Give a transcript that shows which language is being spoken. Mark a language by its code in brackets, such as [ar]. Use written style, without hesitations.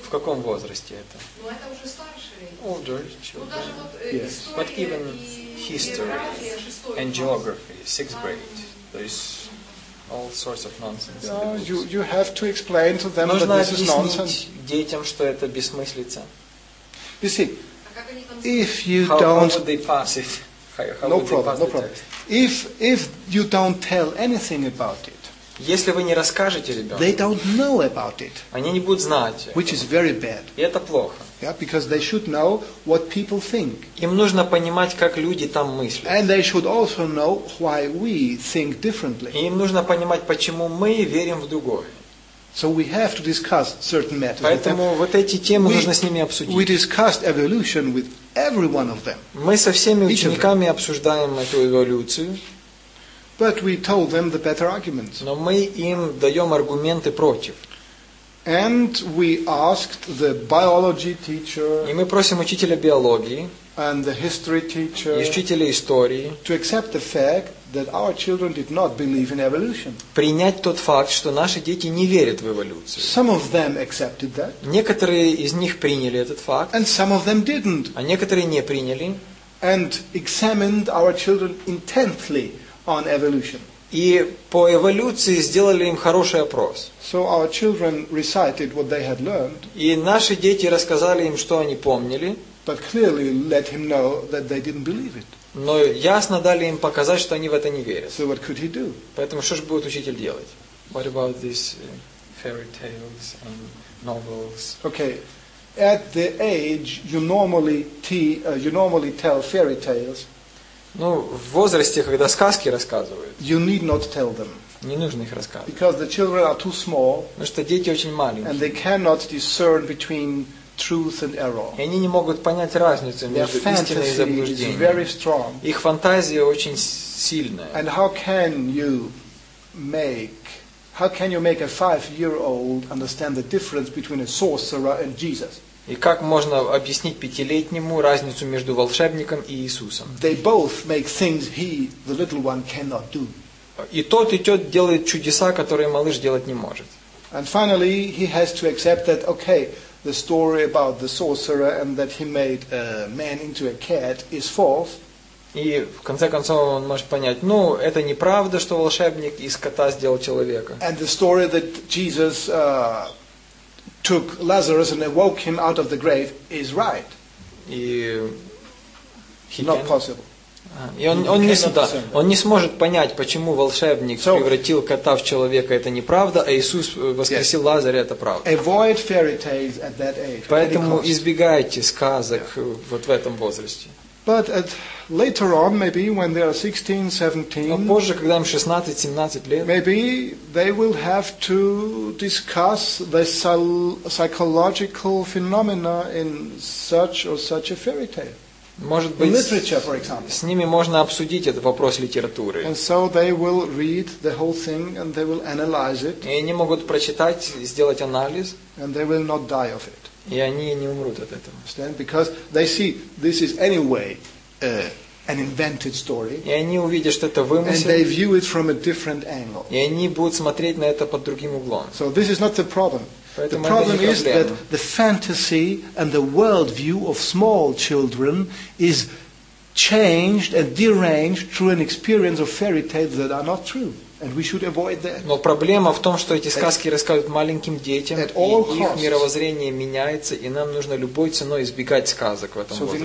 [ru] В каком возрасте это? [en] Older children. Yes. But even history and geography, sixth grade, there is all sorts of nonsense. No, you have to explain to them [ru] нужно [en] that this is nonsense. [ru] Детям, что это бессмыслица. [en] You see, if you how don't... How would they pass it? No problem. If you don't tell anything about it, [ru] если вы не расскажете ребенку, [en] they don't know about it. [ru] Они не будут знать. [en] Which is very bad. [ru] И это плохо. [en] Yeah, because they should know what people think. [ru] Им нужно понимать, как люди там мыслят. [en] And they should also know why we think differently. [ru] И им нужно понимать, почему мы верим в другое. [en] So we have to discuss certain matters. [ru] Поэтому вот эти темы нужно с ними обсудить. [en] We discussed evolution with every one of them. [ru] Мы со всеми учениками обсуждаем эту эволюцию. [en] But we told them the better arguments. [ru] Но мы им даем аргументы против. [en] And we asked the biology teacher. [ru] И мы просим учителя биологии. [en] And the history teacher. [ru] И учителя истории. [en] To accept the fact that our children did not believe in evolution. [ru] Принять тот факт, что наши дети не верят в эволюцию. [en] Some of them accepted that. [ru] Некоторые из них приняли этот факт. [en] And some of them didn't. [ru] А некоторые не приняли. [en] And examined our children intently on evolution. [ru] И по эволюции сделали им хороший опрос. [en] So our children recited what they had learned. [ru] И наши дети рассказали им, что они помнили. [en] But clearly let him know that they didn't believe it. [ru] Но ясно дали им показать, что они в это не верят. [en] So what could he do? [ru] Поэтому что же будет учитель делать? [en] What about these fairy tales and novels? Okay. At the age you normally tell fairy tales. [ru] Ну, в возрасте, когда сказки рассказывают. [en] You need not tell them. [ru] Не нужно их рассказывать. [en] Because the children are too small. [ru] Потому что дети очень маленькие. [en] And they cannot discern between truth and error. [ru] И они не могут понять разницу между истиной и заблуждением. Их фантазия очень сильная. [en] And how can you make a 5-year-old understand the difference between a sorcerer and Jesus? [ru] И как можно объяснить пятилетнему разницу между волшебником и Иисусом? [en] They both make things he, the little one, cannot do. [ru] И тот, и тот делает чудеса, которые малыш делать не может. [en] And finally, he has to accept that, okay, the story about the sorcerer and that he made a man into a cat is false. [ru] И в конце концов он может понять, ну, это неправда, что волшебник из кота сделал человека. [en] And the story that Jesus took Lazarus and awoke him out of the grave is right. [ru] И [en] not possible. [ru] И он не сюда. Он не сможет понять, почему волшебник превратил кота в человека, это неправда, а Иисус воскресил Лазаря, это правда. [en] Avoid fairy tales at that age. [ru] Поэтому избегайте сказок вот в этом возрасте. [en] But at later on, maybe when they are 16, 17, [ru] но позже, когда им 16-17 лет, [en] maybe they will have to discuss the psychological phenomena in such or such a fairy tale. [ru] Может быть, [en] in literature, for example. [ru] С ними можно обсудить этот вопрос литературы. [en] And so they will read the whole thing and they will analyze it. [ru] И они могут прочитать, сделать анализ. [en] And they will not die of it. [ru] И они не умрут от этого. [en] Understand? Because they see this is anyway an invented story. [ru] И они увидят, что это вымысел. [en] And they view it from a different angle. [ru] И они будут смотреть на это под другим углом. [en] So this is not the problem. [ru] Поэтому [en] the problem is that the fantasy and the world view of small children is changed and deranged through an experience of fairy tales that are not true. And we should avoid that. [ru] Но проблема в том, что эти сказки рассказывают маленьким детям, и их мировоззрение меняется, и нам нужно любой ценой избегать сказок в этом возрасте.